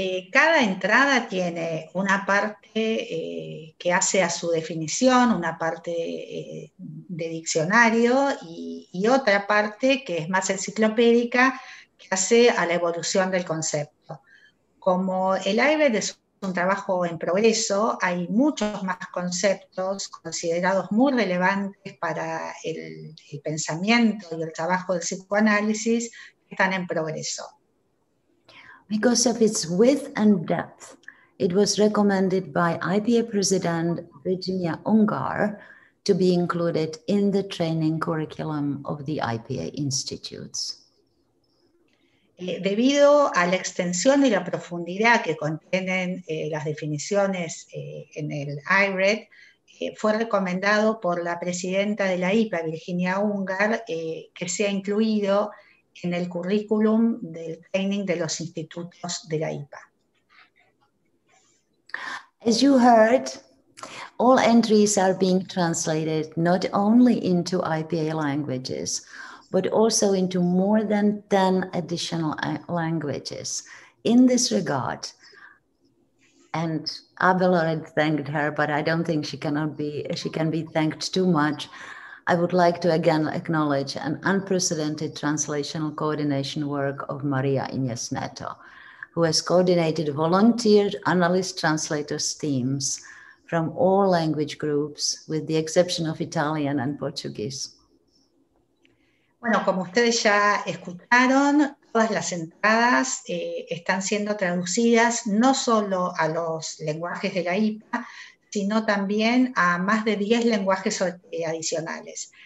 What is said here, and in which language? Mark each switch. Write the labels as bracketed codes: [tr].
[es] Cada entrada tiene una parte que hace a su definición, una parte de diccionario y otra parte que es más enciclopédica, que hace a la evolución del concepto. Como el AIBED es un trabajo en progreso, hay muchos más conceptos considerados muy relevantes para el pensamiento y el trabajo del psicoanálisis que están en progreso. [en] Because of its width and depth, it was recommended by IPA President Virginia Ungar to be included in the training curriculum of the IPA Institutes. [es] Debido a la extensión y la profundidad que contienen las definiciones en el IRED, fue recomendado por la presidenta de la IPA, Virginia Ungar, que sea incluido en el currículum del training de los institutos de la IPA. [en] As you heard, all entries are being translated not only into IPA languages, but also into more than 10 additional languages. In this regard, and Abel already thanked her, but I don't think she can be thanked too much, I would like to again acknowledge an unprecedented translational coordination work of Maria Ines Neto, who has coordinated volunteered analyst translators teams from all language groups, with the exception of Italian and Portuguese. [es] Bueno, como ustedes ya escucharon, todas las entradas están siendo traducidas no solo a los lenguajes de la IPA, sino también a más de 10 lenguajes adicionales.